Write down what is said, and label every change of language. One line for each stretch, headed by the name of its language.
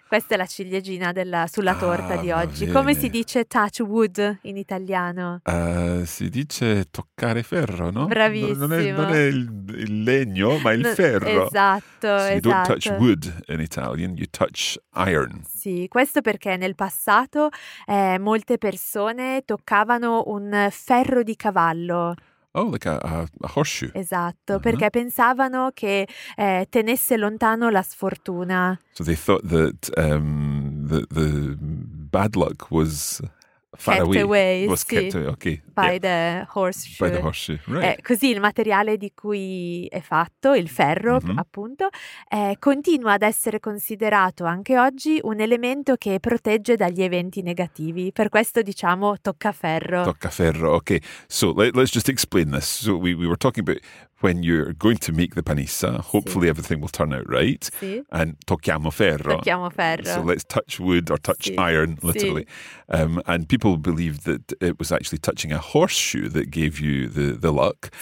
Italian: Questa è la ciliegina sulla torta di oggi. Come si dice
English: touch wood
Italian: in italiano? Si dice toccare ferro, no? Bravissimo. Non è il legno, ma il ferro. Esatto,
English: so
Italian: esatto.
English: You don't touch wood in Italian, you touch iron.
Italian: Sì, questo perché nel passato molte persone toccavano un ferro di cavallo.
English: Oh, like a horseshoe.
Italian: Esatto, uh-huh. Perché pensavano che tenesse lontano la sfortuna.
English: So they thought that the bad luck was far kept away. Was
Italian: sì.
English: Kept away, okay. By the horseshoe. By the horseshoe, right.
Italian: Così il materiale di cui è fatto, il ferro, mm-hmm. appunto, continua ad essere considerato anche oggi un elemento che protegge dagli eventi negativi. Per questo diciamo toccaferro. Toccaferro, okay.
English: So let's just explain this. So we were talking about when you're going to make the panissa, hopefully
Italian: sì.
English: everything will turn out right.
Italian: Sì. And tocchiamo ferro. Tocchiamo ferro.
English: So let's touch wood or touch
Italian: sì.
English: iron, literally.
Italian: Sì.
English: And people believe that it was actually touching a horseshoe that gave you the luck,